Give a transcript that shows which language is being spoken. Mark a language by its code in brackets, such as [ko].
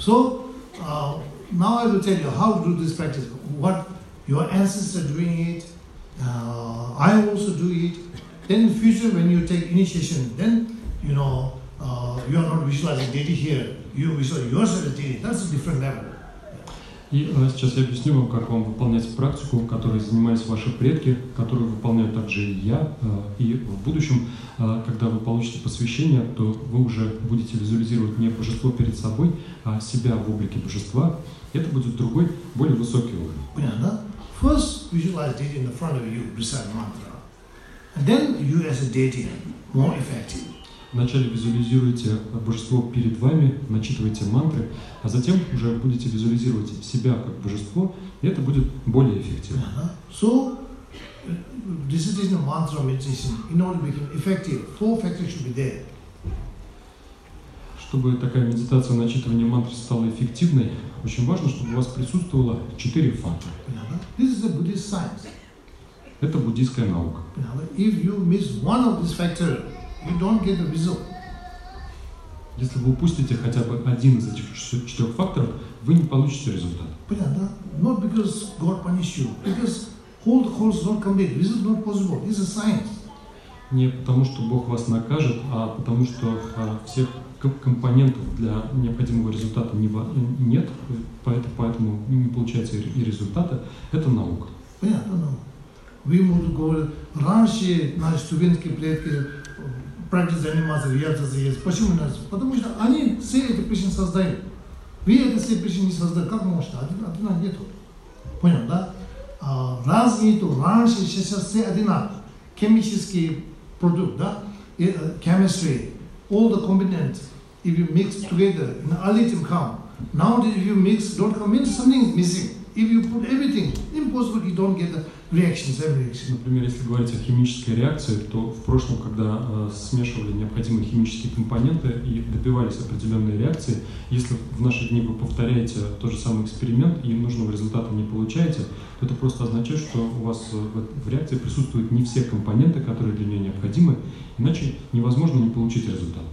[en] So, now I will tell you how to do this practice. What your ancestors are doing it. I also do it. Then in future, when you take initiation, then, you know, you are not visualizing deity here. You visualize yourself as deity. That's a different level. [ru] И сейчас я объясню вам, как вам выполнять практику, которой занимались ваши предки, которую выполняют также и я, и в будущем, когда вы получите посвящение, то вы уже будете визуализировать не божество перед собой, а себя в облике божества. Это будет другой, более высокий уровень. Понятно? [en] First visualize deity in the front of you, recite mantra. And then you as a deity, more effective. [ru] Вначале визуализируйте божество перед вами, начитывайте мантры, а затем уже будете визуализировать себя как божество, и это будет более эффективно. [en] So, this is the mantra meditation. In order to become effective, four factors should be there. [ru] Чтобы такая медитация начитывания мантр стала эффективной, очень важно, чтобы у вас присутствовало четыре фактора. [en] This is a Buddhist science. [ru] Это буддийская наука. [en] If you miss one of these factors, you don't get the result. [ru] Если вы упустите хотя бы один из этих четырех факторов, вы не получите результат. Понятно? [en] Not because God punish you, because whole course not complete. This is not possible. This is science. [ru] Не потому что Бог вас накажет, а потому что всех компонентов для необходимого результата нет, поэтому не получается и результата. Это наука. Понятно, но вы можете говорить, раньше наши студентские предки практически заниматься, реализация есть. Почему у нас? Потому что они все эти причины создают. Вы это все причины не создали. Как можно? Одна нету. Понял, да? Раз нету, раньше, сейчас все одинаковые. Химический продукт, да? [en] Chemistry, all the components, if you mix together, in a little come. Now that if you mix, don't come, means something is missing. If you put everything, impossible, you don't get the [ru] Например, если говорить о химической реакции, то в прошлом, когда смешивали необходимые химические компоненты и добивались определенной реакции, если в наши дни вы повторяете тот же самый эксперимент и нужного результата не получаете, то это просто означает, что у вас в реакции присутствуют не все компоненты, которые для нее необходимы, иначе невозможно не получить результат.